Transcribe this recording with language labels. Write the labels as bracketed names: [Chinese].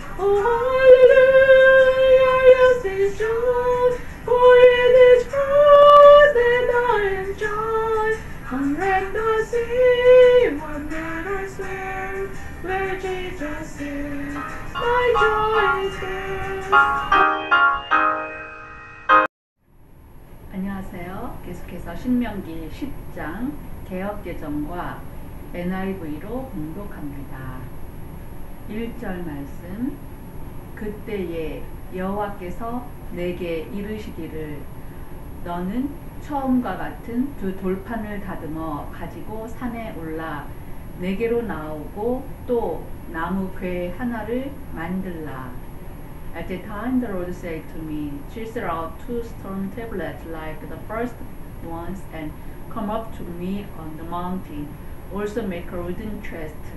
[English] Oh, hallelujah, yes, this joy, for it is Christ that I enjoy. Come and I see one that I swear, where Jesus is, my joy is there. [Korean] 안녕하세요. 계속해서 신명기 10장 개역개정과 NIV로 공독합니다. 1절 말씀. 그때에 여호와께서 내게 이르시기를, 너는 처음과 같은 두 돌판을 다듬어 가지고 산에 올라 내게로 나오고 또 나무 괴 하나를 만들라. [English] At the time the Lord said to me, chisel out two stone tablets like the first ones and come up to me on the mountain. Also make a wooden chest.